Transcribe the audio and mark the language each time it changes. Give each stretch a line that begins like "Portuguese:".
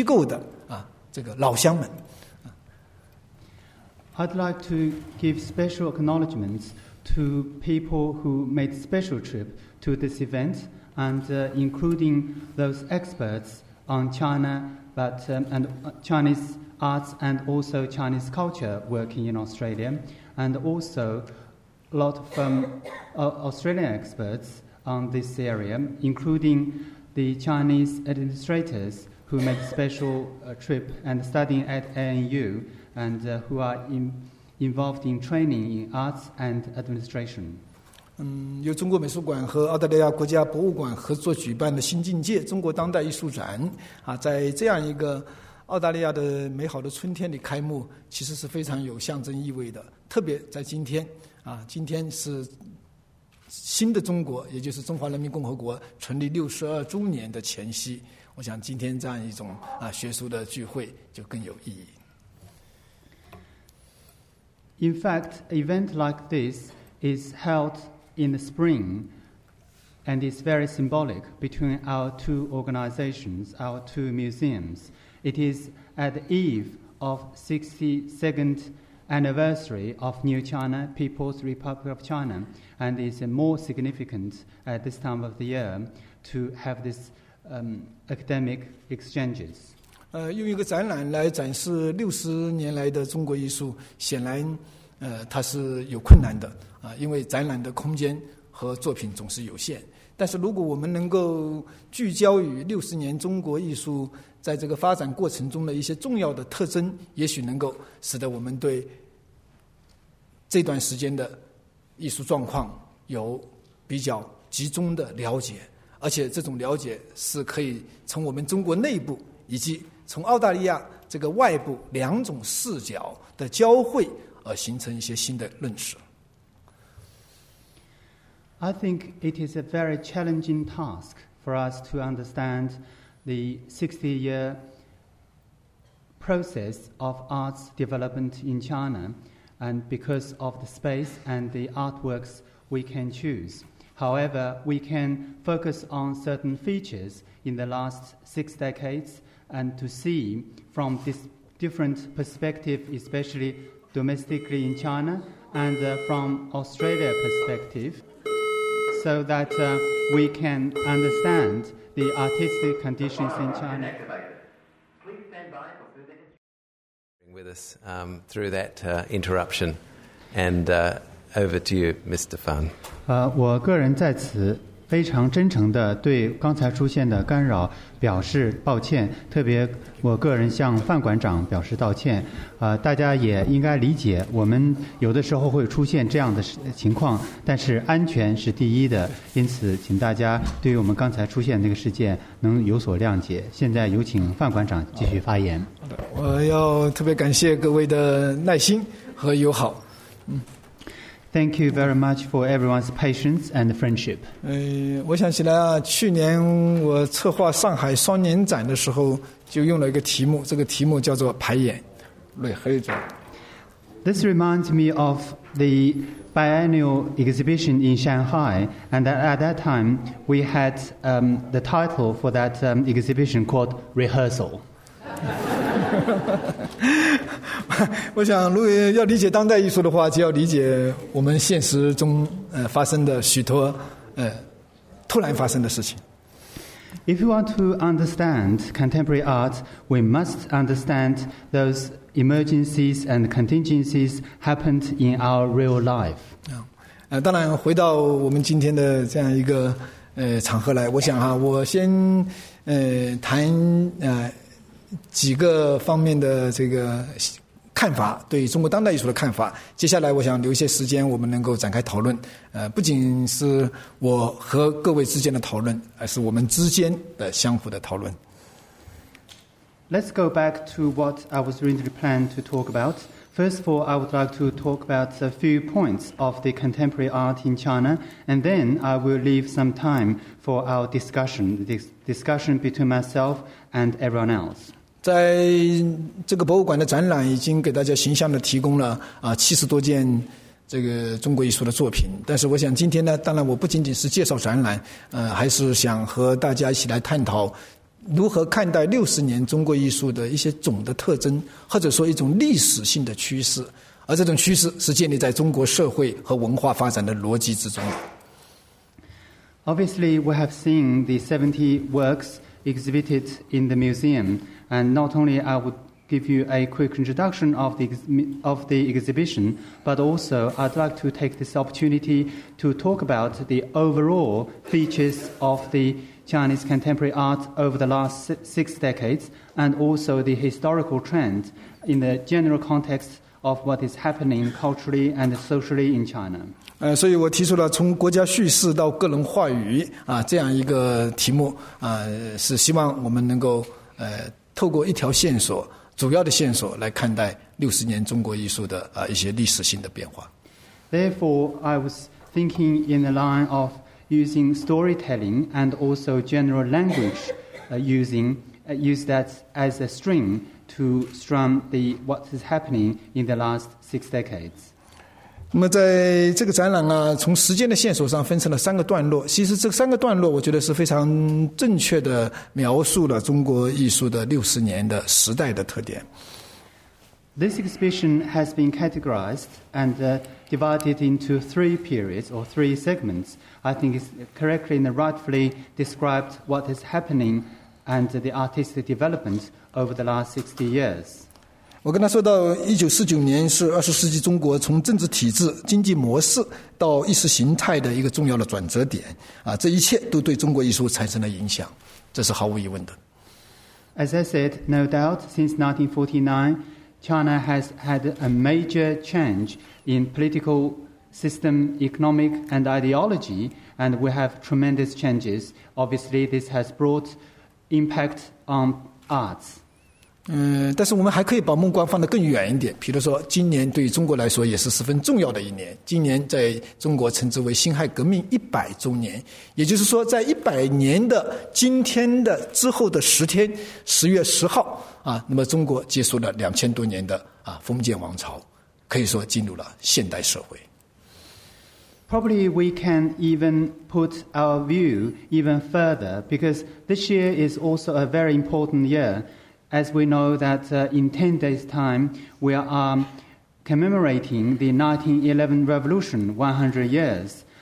Chinese: 我也特别感谢今天各位专程前来参加这样的交流。我知道在座各位有许多研究中国当代艺术和当代中国文化的专家，也有很多在澳大利亚的我的中国艺术家同行，还有这个专门在澳大利亚国家国立大学进行有关艺术管理方面来自中国许多艺术机构的老乡们。
English: I'd like to give special acknowledgements to people who made special trip to this event, and including those experts on China, and Chinese arts, and also Chinese culture working in Australia, and also a lot of Australian experts on this area, including the Chinese administrators who made special trip and studying at ANU, and who are involved in training in arts and administration.
Chinese: 由中国美术馆和澳大利亚国家博物馆合作举办的新境界中国当代艺术展啊，在这样一个澳大利亚的美好的春天里开幕，其实是非常有象征意味的，特别在今天啊，今天是新的中国，也就是中华人民共和国成立62周年的前夕，我想今天这样一种啊学术的聚会就更有意义。
English: In fact, event like this is held in the spring and is very symbolic between our two organizations, our two museums. It is at the eve of 62nd anniversary of New China, People's Republic of China, and is more significant at this time of the year to have this academic exchanges.
Chinese: 用一个展览来展示60年来的中国艺术，显然它是有困难的啊，因为展览的空间和作品总是有限。但是如果我们能够聚焦于60年中国艺术在这个发展过程中的一些重要的特征，也许能够使得我们对这段时间的艺术状况有比较集中的了解，而且这种了解是可以从我们中国内部以及从澳大利亚这个外部两种视角的交汇而形成一些新的认识。
English: I think it is a very challenging task for us to understand the 60-year process of arts development in China, and because of the space and the artworks we can choose. However, we can focus on certain features in the last 6 decades and to see from this different perspective, especially domestically in China and from Australia perspective. So that we can understand the artistic conditions in China. Bring with us through that interruption, and over to you, Mr. Fan.
Chinese: 我个人在此非常真诚地对刚才出现的干扰表示抱歉，特别我个人向范馆长表示道歉。大家也应该理解，我们有的时候会出现这样的情况，但是安全是第一的，因此请大家对于我们刚才出现那个事件能有所谅解。现在有请范馆长继续发言。我要特别感谢各位的耐心和友好。
English: Thank you very much for everyone's patience and friendship.
Chinese: 我想起来啊，去年我策划上海双年展的时候，就用了一个题目，这个题目叫做“排演”，内黑者。
English: This reminds me of the biennial exhibition in Shanghai, and at that time we had the title for that exhibition called "Rehearsal."
Chinese: 我想如果要理解当代艺术的话，就要理解我们现实中发生的许多突然发生的事情。
English: If you want to understand contemporary art, we must understand those emergencies and contingencies happened in our real life.
Chinese: 当然回到我们今天的这样一个场合来，我想我先谈几个方面的这个看法，对中国当代艺术的看法。接下来我想留一些时间我们能够展开讨论，不仅是我和各位之间的讨论，而是我们之间的相互的讨论。
English: Let's go back to what I was originally planned to talk about. First of all, I would like to talk about a few points of the contemporary art in China, and then I will leave some time for our discussion, this discussion between myself and everyone else.
Chinese: 在这个博物馆的展览已经给大家形象地提供了70多件这个中国艺术的作品，但是我想今天呢，当然我不仅仅是介绍展览，还是想和大家一起来探讨如何看待60年中国艺术的一些总的特征，或者说一种历史性的趋势，而这种趋势是建立在中国社会和文化发展的逻辑之中。
English: Obviously we have seen the 70 works exhibited in the museumAnd not only I would give you a quick introduction of the exhibition, but also I'd like to take this opportunity to talk about the overall features of the Chinese contemporary art over the last 6 decades, and also the historical trend in the general context of what is happening culturally and socially in China.
Chinese: 所以我提出了从国家叙事到个人话语啊这样一个题目啊，是希望我们能够透过一条线索，主要的线索来看待六十年中国艺术的啊一些历史性的变化。
English: Therefore, I was thinking in the line of using storytelling and also general language, use that as a string to strum the what is happening in the last six decades.
Chinese: 那么在这个展览啊，从时间的线索上分成了三个段落。其实这三个段落，我觉得是非常正确的描述了中国艺术的六十年的时代的特点。
English: This exhibition has been categorized and divided into three periods or three segments. I think it's correctly and rightfully described what is happening and the artistic development over the last 60 years.
Chinese: 我跟他说到1949年是20世纪中国从政治体制、经济模式到意识形态的一个重要的转折点。啊，这一切都对中国艺术产生了影响，这是毫无疑问的。
English: As I said, no doubt, since 1949,China has had a major change in political system, economic and ideology, and we have tremendous changes. Obviously, this has brought impact on arts.
Chinese: 但是我们还可以把目光放得更远一点，比如说今年对于中国来说也是十分重要的一年，今年在中国称之为辛亥革命一百周年，也就是说在一百年的今天的之后的十天，十月十号啊，那么中国结束了两千多年的啊封建王朝，可以说进入了现代社会。
English: Probably we can even put our view even further, because this year is also a very important year. As we know that in 10 days' time, we are commemorating the 1911 revolution, 100 years.